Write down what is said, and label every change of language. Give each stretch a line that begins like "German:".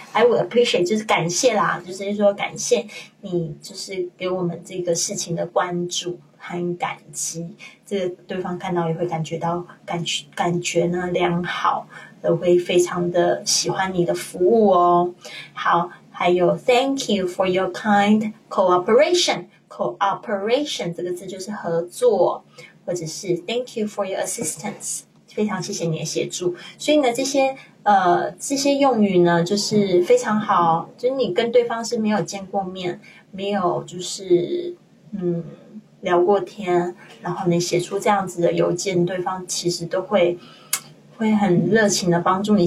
English: I will appreciate
Chinese: 就是感谢啦，就是说感谢你就是给我们这个事情的关注，很感激，这个对方看到也会感觉到感觉呢良好，都会非常的喜欢你的服务哦。好，还有
English: Thank you for your kind cooperation. Cooperation
Chinese: 这个字就是合作，或者是
English: Thank you for your assistance.
Chinese: 非常谢谢你的协助。所以呢，这些用语呢，就是非常好，就是你跟对方是没有见过面，没有就是聊过天，然后你写出这样子的邮件，对方其实都会很热情的帮助你。